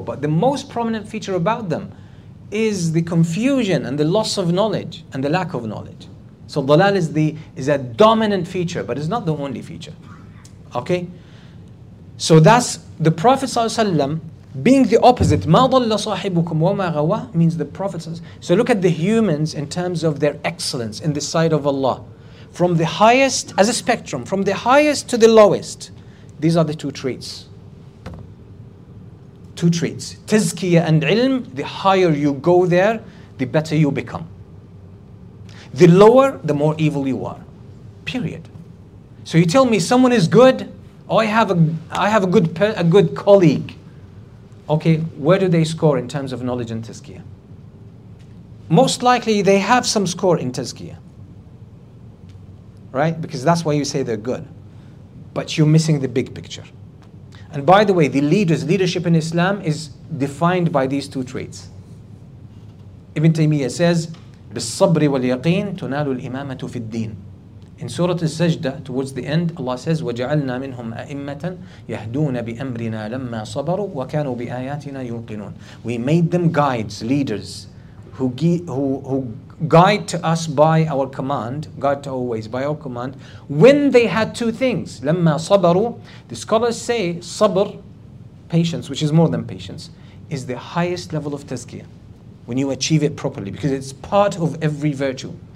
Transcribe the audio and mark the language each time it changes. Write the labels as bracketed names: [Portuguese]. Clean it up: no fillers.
[English] But the most prominent feature about them is the confusion and the loss of knowledge and the lack of knowledge. So dalal is a dominant feature, but it's not the only feature. Okay? So that's the Prophet ﷺ being the opposite. [Arabic] مَا ضَلَّ صَاحِبُكُمْ وَمَا غَوَى [English] means the Prophet [Arabic] ﷺ. [English] So look at the humans in terms of their excellence in the sight of Allah. From the highest, as a spectrum, from the highest to the lowest, these are the two traits. Two traits. Tazkiyah and ilm, the higher you go there, the better you become. The lower, the more evil you are. Period. So you tell me someone is good, or I have a good colleague. Okay, where do they score in terms of knowledge and tazkiyah? Most likely they have some score in tazkiyah. Right? Because that's why you say they're good. But you're missing the big picture. And by the way, the leadership in Islam is defined by these two traits. [Arabic] Ibn Taymiyyah says, بِالصَّبْرِ وَالْيَقِينَ تُنَالُ الْإِمَامَةُ فِي الدِّينَ. [English] In Surah Al-Sajdah, towards the end, Allah says, [Arabic] وَجَعَلْنَا مِنْهُمْ أَئِمَّةً يَهْدُونَ بِأَمْرِنَا لَمَّا صَبَرُوا وَكَانُوا بِآيَاتِنَا يُوقِنُونَ. [English] We made them guides, leaders, who guide to us by our command, guide to always by our command, when they had two things. [Arabic] لَمَّا صَبَرُوا. [English] The scholars say sabr, patience, which is more than patience, is the highest level of tazkiyah when you achieve it properly, because it's part of every virtue.